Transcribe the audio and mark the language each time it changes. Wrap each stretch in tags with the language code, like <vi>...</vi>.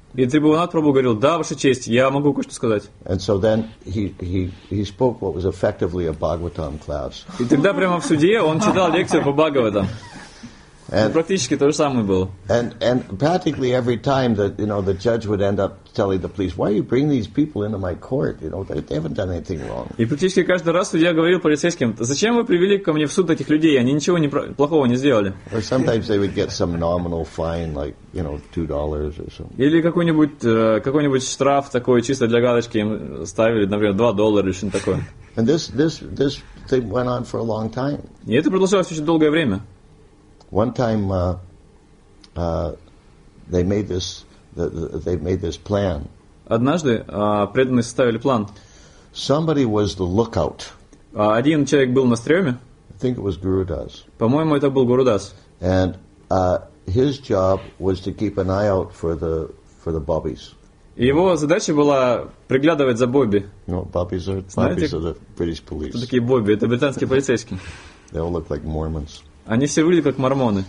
<ru>И Трибунат Прабу говорил: "Да, Ваша честь, я могу кое-что сказать."</ru> <en>And so then he spoke what was effectively a Bhagavatam class.</en> <ru>И тогда прямо в суде он читал лекцию по Бхагаватам. Практически то же самое было.</ru> <en>And practically every time that, you know, the judge would end up telling the police, "Why you bring these people into my court? You know, they haven't done anything wrong."</en> <ru>И практически каждый раз судья говорил полицейским: "Зачем вы привели ко мне в суд этих людей? Они ничего плохого не сделали."</ru> <en>Or sometimes they would get some nominal fine, like, you know, $2 or something.</en> <ru>Или какой-нибудь штраф такой чисто для галочки им ставили, например, $2 или что-то такое.</ru> <en>And this thing went on for a long time.</en> <ru>И это продолжалось очень долгое время.</ru> <en>One time, they made this plan.</en> <ru>Однажды преданные составили план.</ru> <en>Somebody was the lookout.</en> <ru>Один человек был на стреме.</ru> <en>I think it was Gurudas.</en> <ru>По-моему, это был Гурудас.</ru> <en>And his job was to keep an eye out for the bobbies.</en> <ru>Его задача была приглядывать за Бобби.</ru> <en>No, bobbies are the British police.</en> <ru>Такие Бобби, это британские полицейские.</ru> <en>They all look like Mormons.</en> <ru>Они все выглядят как мормоны.</ru>